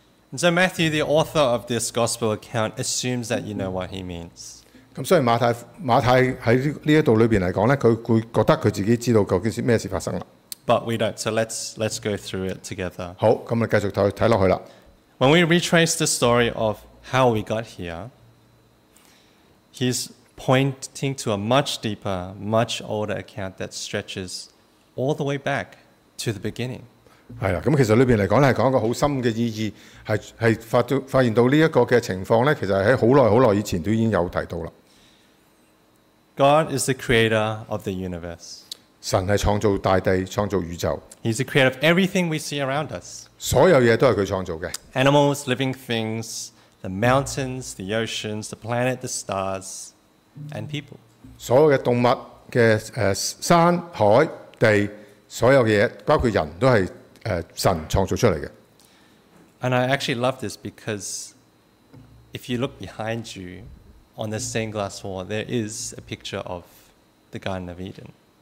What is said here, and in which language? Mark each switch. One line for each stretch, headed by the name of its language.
English: And so Matthew, the author of this gospel account, assumes that you know what he means.
Chinese: 所以馬太在這裏面來說,他覺得自己知道究竟什麼事發生了。
English: But we don't, so let's go through it together.
Chinese: 好,我們繼續看下去了。
English: When we retrace the story of how we got here, he's pointing to a much deeper, much older account that stretches all the way back to the beginning.
Chinese: 其實裏面來講是講一個很深的意義，是發現到這個情況，其實在很久很久以前都已經有提到了。
English: God is the creator of the universe.
Chinese: 神是創造大地，創造宇宙。
English: He is the creator of everything we see around us.
Chinese: 所有東西都是他創造的。
English: Animals, living things, the mountains, the oceans, the planet, the stars, and people.
Chinese: 所有的動物的山、海、地，所有的東西，包括人，都是
English: And I actually love this because if you look behind you on the stained glass wall, there is a picture of the Garden of Eden.